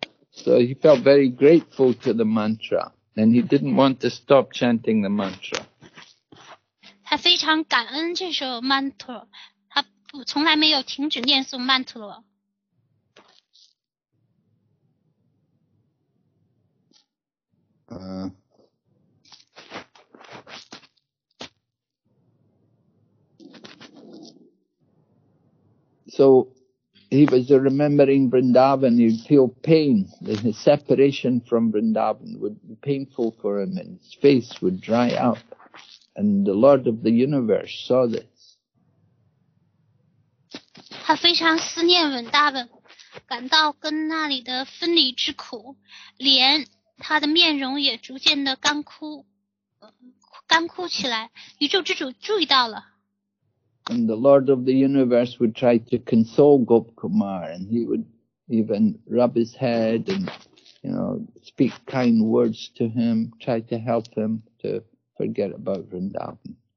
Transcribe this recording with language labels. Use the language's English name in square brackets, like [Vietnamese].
[English] So he felt very grateful to the mantra. And he didn't want to stop chanting the mantra. [Chinese] 他非常感恩这首曼陀罗，他不从来没有停止念诵曼陀罗。 [English] So he was remembering Vrindavan. He'd feel pain. The separation from Vrindavan would be painful for him, and his face would dry up. And the Lord of the Universe saw this. [Chinese] 他非常思念文大本，感到跟那里的分离之苦，连他的面容也逐渐的干枯起来。宇宙之主注意到了。 [English] And the Lord of the Universe would try to console Gop Kumar, and he would even rub his head and, you know, speak kind words to him, try to help him to. Forget about Vrindavan.